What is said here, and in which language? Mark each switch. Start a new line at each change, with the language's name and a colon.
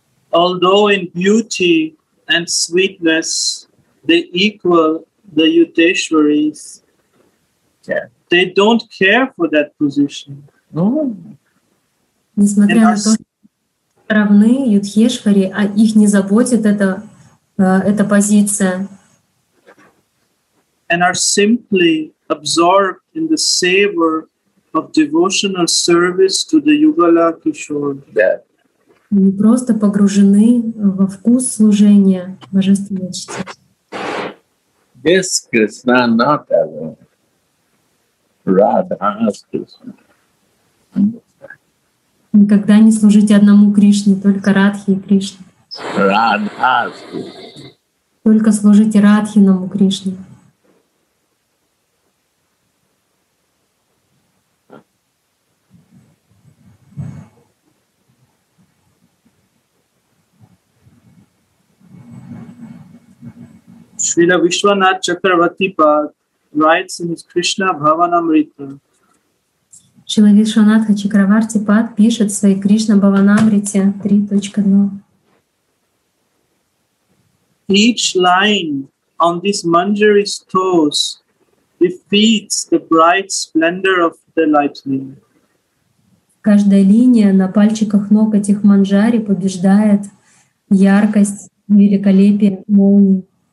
English: although in beauty and sweetness they equal the Yukteswaris, yeah, they don't care for that position.
Russian: Несмотря на то, что равны Юдхешвари, а их не заботит эта позиция.
English: And are simply absorbed in the savor of devotional service to the Yugala Kishore.
Russian: Они просто погружены во вкус служения Божественной Чтице.
English: Krishna, not alone. Radha's Krishna.
Russian: Никогда не служите одному Кришне, только Радхе и Кришне.
English: Radha's Krishna.
Russian: Только служите Радхиному Кришне.
English: Srila Vishwanath Chakravarti Pad writes in his Krishna Bhavanamrita.
Russian: Srila Vishwanath Chakravarti Pad пишет в своей Krishna Bhavanamrita 3.2.
English: Each line on this Manjari's toes defeats the bright splendor of the lightning.
Russian: Каждая линия на пальчиках ног этих Манджари побеждает яркость, великолепие молнии.